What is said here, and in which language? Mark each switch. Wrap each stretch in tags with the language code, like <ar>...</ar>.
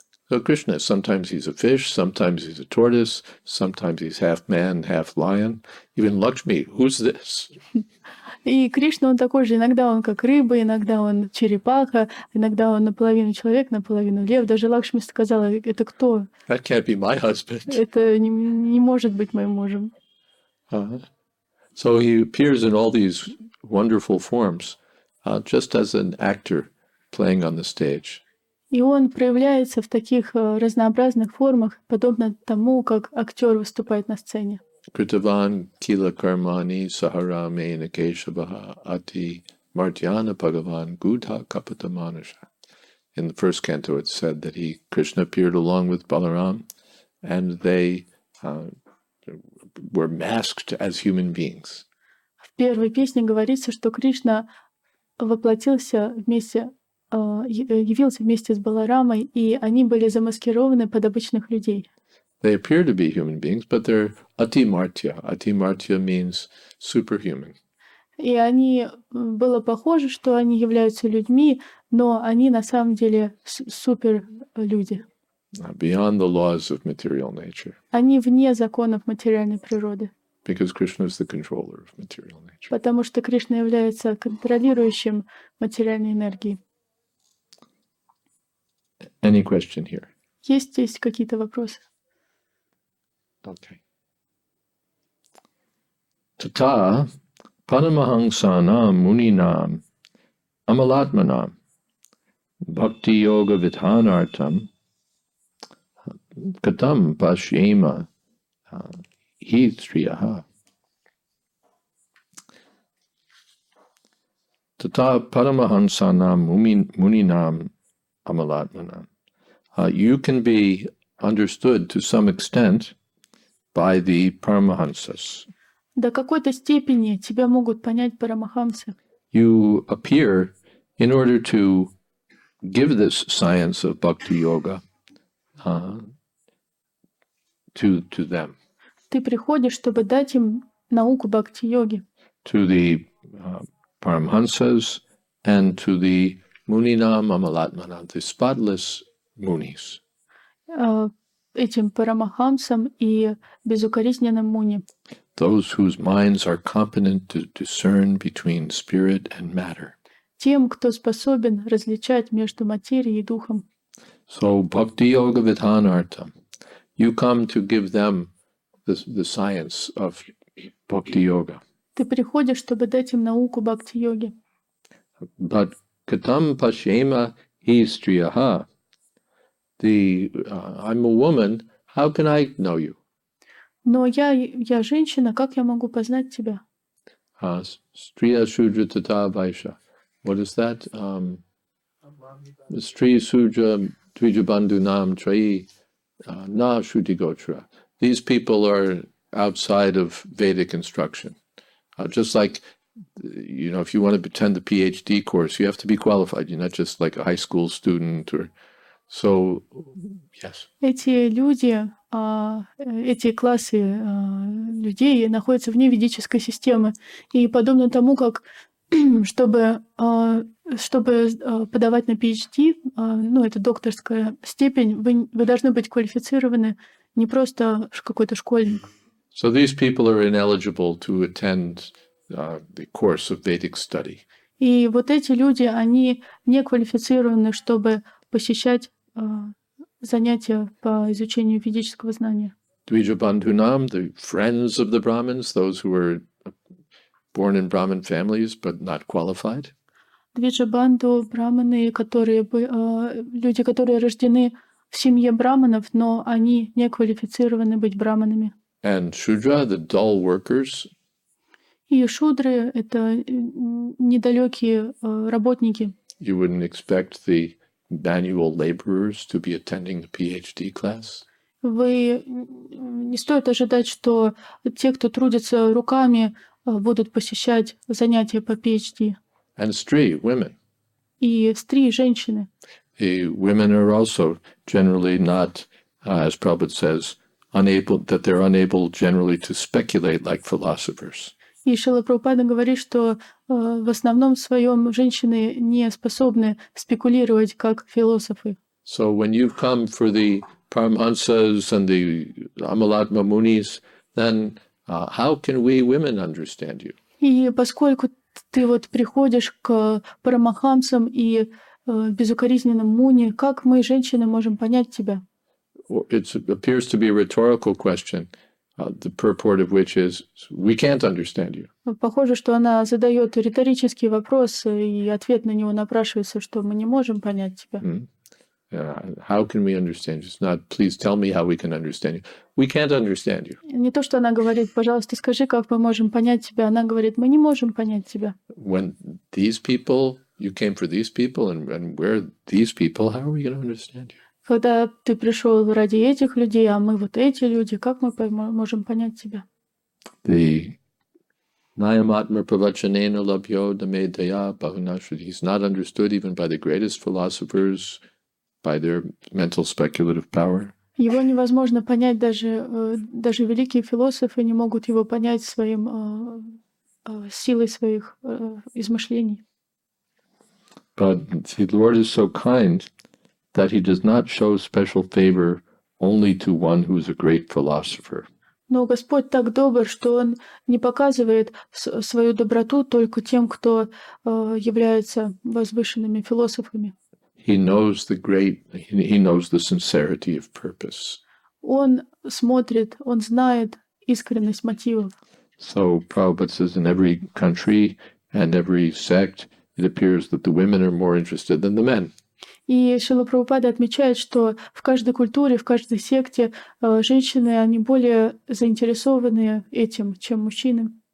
<en>So Krishna, sometimes he's a fish, sometimes he's a tortoise, sometimes he's half man, half lion. Even Lakshmi, who's this?</en> <ru>И Кришна, он такой же. Иногда он как рыба, иногда он черепаха, иногда он наполовину человек, наполовину лев. Даже Лакшми сказала, это кто?</ru> <en>That can't be my husband.</en> <ru>Это не может быть моим мужем.</ru> <en>So he appears in all these wonderful forms, just as an actor playing on the stage.</en> <ru>И он проявляется в таких разнообразных формах, подобно тому, как актер выступает на сцене.</ru> <sa>Kritavan kila karmani sahara mena keshavaha ati martyana bhagavan gudha kapata manusha.</sa> <en>In the first canto it said that Krishna appeared along with Balaram and they were masked as human beings.</en> <ru>В первой песне говорится, что Кришна воплотился вместе явился вместе с Баларамой, и они были замаскированы под обычных людей.</ru> <en>They appear to be human beings, but they're ati-martya. Ati-martya means superhuman.</en> <ru>И они было похоже, что они являются людьми, но они на самом деле суперлюди.</ru> <en>Beyond the laws of material nature.</en> <ru>Они вне законов материальной природы.</ru> <en>Because Krishna is the controller of material nature.</en> <ru>Потому что Кришна является контролирующим материальной энергии.</ru> <en>Any question here?</en> <ru>Есть какие-то вопросы?</ru> <en>Okay.</en> <sa>Tata Paramahansanam Muninam Amalatmanam Bhakti Yoga Vidhanartam Katam Pashyema Hi Sriyaha. Tata Paramahansanam Muninam Amalatmanam.</sa> <en>You can be understood to some extent by the Paramahansas.</en> <ru>До какой-то степени тебя могут понять Парамахамсы.</ru> <en>You appear in order to give this science of Bhakti Yoga to them.</en> <ru>Ты приходишь, чтобы дать им науку Бхакти Йоги.</ru> <en>To the Paramahansas and to the</en> <sa>Muninam Amalatmanam,</sa> <en>the spotless Munis.</en> <ru>Этим Парамахамсам и безукоризненным Муни.</ru> <en>Those whose minds are competent to discern between spirit and matter.</en> <ru>Тем, кто способен различать между материей и духом.</ru> <en>So,</en> <sa>Bhakti Yoga Vidhanartha,</sa> <en>you come to give them the science of Bhakti Yoga.</en> <ru>Ты приходишь, чтобы дать им науку Бхакти Йоги.</ru> <sa>But Katam Pashyema Hi Sriyaha.</sa> <en>I'm a woman, how can I know you?</en> <ru>Но я женщина, как я могу познать тебя?</ru> <sa>Стрия Шудра Тата Вайша.</sa> <en>What is that?</en> <sa>Стрия Шудра Двиджа Банду Нам Траи На Шуди Гочра.</sa> <en>These people are outside of Vedic instruction. Just like, you know, if you want to attend the PhD course, you have to be qualified. You're not just like a high school student or... So, yes.</en> <ru>Эти люди, эти классы людей находятся вне ведической системы. И подобно тому, как чтобы подавать на PhD, ну, это докторская степень, вы должны быть квалифицированы, не просто какой-то школьник.</ru> <en>So these people are ineligible to attend the course of Vedic study.</en> <ru>И вот эти люди, они не квалифицированы, чтобы посещать занятия по изучению ведического знания.</ru> <en>Dvija Bandhunam, the friends of the Brahmins, those who were born in Brahmin families but not qualified.</en> <ru>Dvija Bandhu, Brahmany, люди, которые рождены в семье Брахманов, но они не квалифицированы быть Брахманами.</ru> <en>And Shudra, the dull workers.</en> <ru>И Шудры – это недалекие работники.</ru> <en>You wouldn't expect the manual laborers to be attending the PhD class.</en> <ru>Вы не стоит ожидать, что те, кто трудится руками, будут посещать занятия по PhD.</ru> <en>And stree, women.</en> <ru>И стрии, женщины.</ru> <en>The women are also generally not, as Prabhupada says, unable, that they're unable generally to speculate like philosophers.</en> <ru>И Шрила Прабхупада говорит, что в основном в своем женщины не способны спекулировать как философы.</ru> <en>So when you've come for the Paramahansas and the Amalatma Munis, then how can we women understand you?</en> <ru>И поскольку ты вот приходишь к Парамахамсам и безукоризненным Муни, как мы, женщины, можем понять тебя?</ru> <en>It appears to be a rhetorical question. The purport of which is, we can't understand you.</en> <ru>Похоже, что она задает риторический вопрос, и ответ на него напрашивается, что мы не можем понять тебя. Mm-hmm.</ru> <en>How can we understand you? It's not, please tell me how we can understand you. We can't understand you.</en> <ru>Не то, что она говорит, пожалуйста, скажи, как мы можем понять тебя. Она говорит, мы не можем понять тебя.</ru> <en>When these people, you came for these people, and where these people, how are we going to understand you?</en> <ru>Когда ты пришел ради этих людей, а мы вот эти люди, как мы можем понять тебя?</ru> <sa>The Nayamatma Pravachanena Labhyo Dame Daya Bhavanashud.</sa> <en>He's not understood even by the greatest philosophers by their mental speculative power.</en> <ru>Его невозможно понять, даже великие философы не могут его понять своим силой своих измышлений.</ru> <en>But the Lord is so kind that he does not show special favor only to one who is a great philosopher.</en> <ru>Но Господь так добр, что он не показывает свою доброту только тем, кто является возвышенными философами.</ru> <en>He knows the sincerity of purpose.</en> <ru>Он смотрит, он знает искренность мотивов.</ru> <en>So Prabhupada says in every country and every sect, it appears that the women are more interested than the men.</en> <ru>И Шрила Прабхупада отмечает, что в каждой культуре, в каждой секте женщины, они более заинтересованы этим, чем мужчины.</ru>